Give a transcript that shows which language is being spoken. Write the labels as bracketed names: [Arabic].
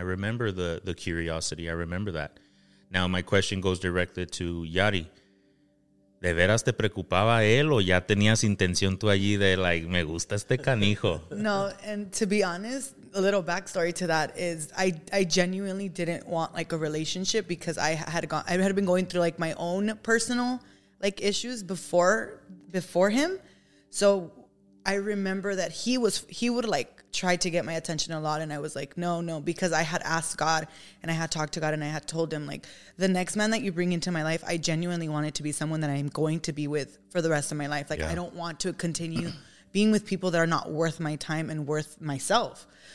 [English] I remember the curiosity. I remember that. Now, my question goes directly to Yari. [Spanish] ¿De veras te preocupaba él o ya tenías intención tú allí de, like, me gusta este canijo? [English] No, and to be honest, a little backstory to that is I genuinely didn't want, like, a relationship because I had been going through, like, my own personal, like, issues before him. So I remember that he would, like, tried to get my attention a lot, and I was like, no, because I had asked God and I had talked to God and I had told him, like, the next man that you bring into my life, I genuinely want it to be someone that I'm going to be with for the rest of my life. Like, yeah. I don't want to continue being with people that are not worth my time and worth myself.